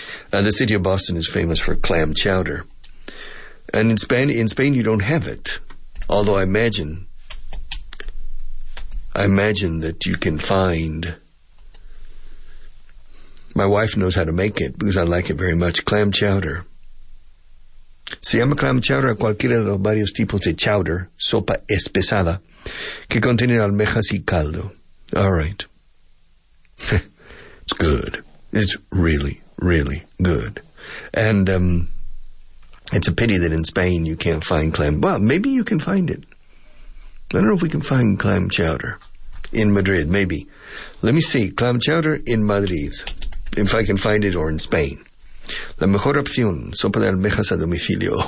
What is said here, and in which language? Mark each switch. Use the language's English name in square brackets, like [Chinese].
[English] The city of Boston is famous for clam chowder. And in Spain, you don't have it. Although I imagine that you can find, my wife knows how to make it because I like it very much, clam chowder. [Spanish] Se llama clam chowder a cualquiera de los varios tipos de chowder, sopa espesada, que contiene almejas y caldo. [English] All right. It's good. It's really, really good. And it's a pity that in Spain you can't find clam. Well, maybe you can find it. I don't know if we can find clam chowder in Madrid, maybe. Let me see. Clam chowder in Madrid. If I can find it, or in Spain. [Spanish] La mejor opción, sopa de almejas a domicilio.